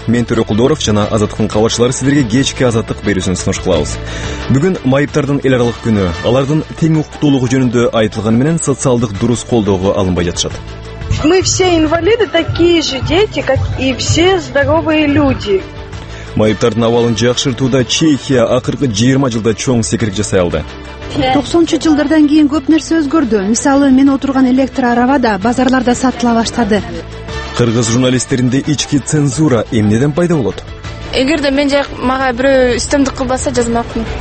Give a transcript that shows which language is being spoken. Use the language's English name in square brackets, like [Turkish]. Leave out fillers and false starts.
[Kyrgyz] Мен Төрөкулдоров жана Азаттыктын каалачылары силерге кечки азаттык берүүсүн сунуш кылабыз. Бүгүн майыптардын эл аралык күнү, алардын тең укуктуулугу жөнүндө айтылганы менен социалдык дурус колдоого алынбай жатышат. [Russian] Мы все инвалиды, такие же дети, как и все здоровые люди. [Kyrgyz] Майыптардын абалын жакшыртууда Чехия акыркы 20 жылда чоң секирик жасай алды. 90-чу жылдардан кийин көп нерсе өзгөрдү. Мисалы, мен отурган электр араба да базарларда сатыла баштады. Кыргыз журналисттеринде ички цензура эмнеден пайда болот? Эгерде мен жак мага бирөө үстөмдүк кылбаса жазмакмын.